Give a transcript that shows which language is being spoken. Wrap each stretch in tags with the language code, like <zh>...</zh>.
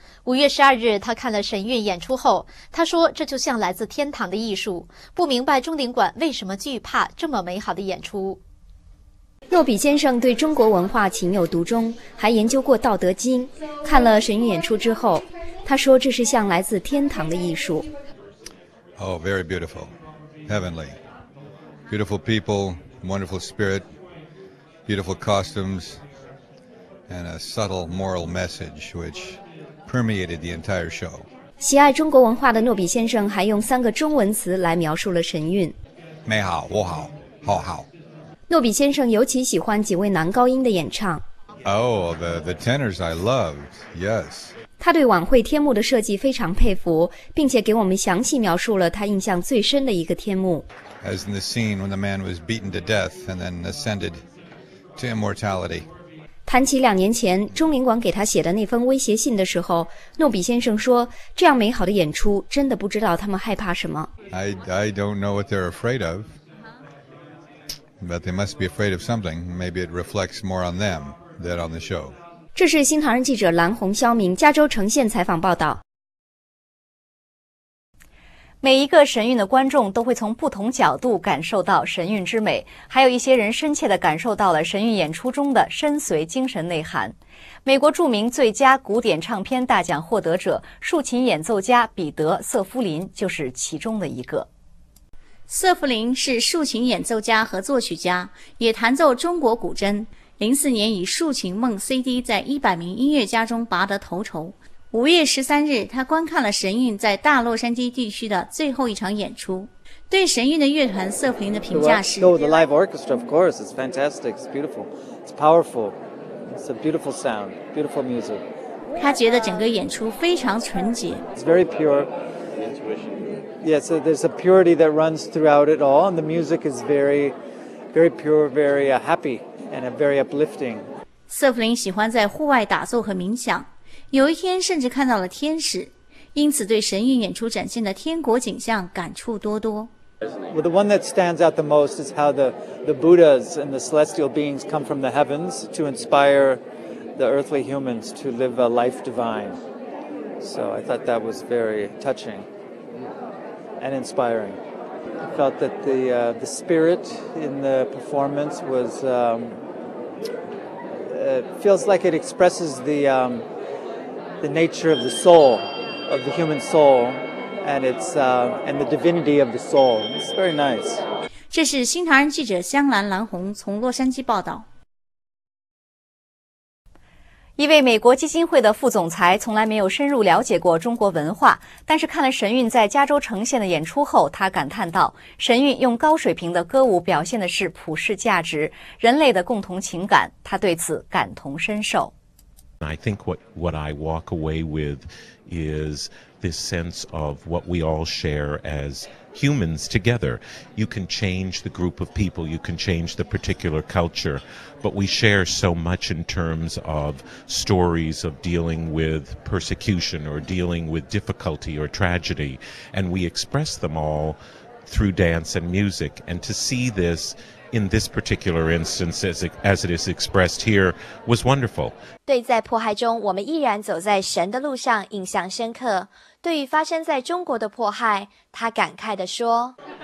<zh>5月12日，他看了神韵演出后，他说这就像来自天堂的艺术，不明白中领馆为什么惧怕这么美好的演出。诺比先生对中国文化情有独钟，还研究过《道德经》。看了神韵演出之后，他说这是像来自天堂的艺术。</zh> <en>Oh, very beautiful. Heavenly. Beautiful people, wonderful spirit, beautiful costumes, and a subtle moral message which permeated the entire show.</en> <zh>喜爱中国文化的诺比先生还用三个中文词来描述了神韵。美好，我好，好好。诺比先生尤其喜欢几位男高音的演唱。</zh> <en>Oh, the tenors I loved, yes.</en> <zh>他对晚会天幕的设计非常佩服，并且给我们详细描述了他印象最深的一个天幕。</zh> <en>As in the scene when the man was beaten to death and then ascended to immortality.</en> <zh>谈起两年前中领馆给他写的那封威胁信的时候，诺比先生说，这样美好的演出真的不知道他们害怕什么。</zh> <en>I don't know what they're afraid of. But they must be afraid of something. Maybe it reflects more on them than on the show.</en> <zh>这是新唐人记者蓝红肖明加州城县采访报道。每一个神韵的观众都会从不同角度感受到神韵之美，还有一些人深切地感受到了神韵演出中的深邃精神内涵。美国著名最佳古典唱片大奖获得者、竖琴演奏家彼得·瑟夫林就是其中的一个。瑟夫林是竖琴演奏家和作曲家，也弹奏中国古筝。 04年以竖琴梦 CD 在100名音乐家中拔得头筹。 5月13日，他观看了神韵在大洛杉矶地区的最后一场演出。对神韵的乐团，瑟夫林的评价是</zh> <en>The live orchestra, of course, it's fantastic, it's beautiful, it's powerful, it's a beautiful sound, beautiful music.</en> <zh>他觉得整个演出非常纯洁。</zh> <en>It's very pure. Yes, there's a purity that runs throughout it all, and the music is very, very pure, very happy, and very uplifting.</en> <zh>瑟夫林喜欢在户外打坐和冥想，有一天甚至看到了天使，因此对神韵演出展现的天国景象感触多多。</zh> <en>Well, the one that stands out the most is how the Buddhas and the celestial beings come from the heavens to inspire the earthly humans to live a life divine. So I thought that was very touching. And inspiring. I felt that the spirit in the performance was, feels like it expresses the nature of the soul, of the human soul, and its, and the divinity of the soul. It's very nice.</en> <zh>这是新唐人记者香兰蓝红从洛杉矶报道。一位美国基金会的副总裁从来没有深入了解过中国文化，但是看了神韵在加州呈现的演出后，他感叹道，神韵用高水平的歌舞表现的是普世价值，人类的共同情感，他对此感同身受。</zh> <en>I think what I walk away with is this sense of what we all share as humans together. You can change the group of people, you can change the particular culture, but we share so much in terms of stories of dealing with persecution or dealing with difficulty or tragedy, and we express them all through dance and music. And to see this in this particular instance as it is expressed here was wonderful.</en> <zh>对在迫害中我们依然走在神的路上印象深刻。对于发生在中国的迫害，他感慨地说</zh>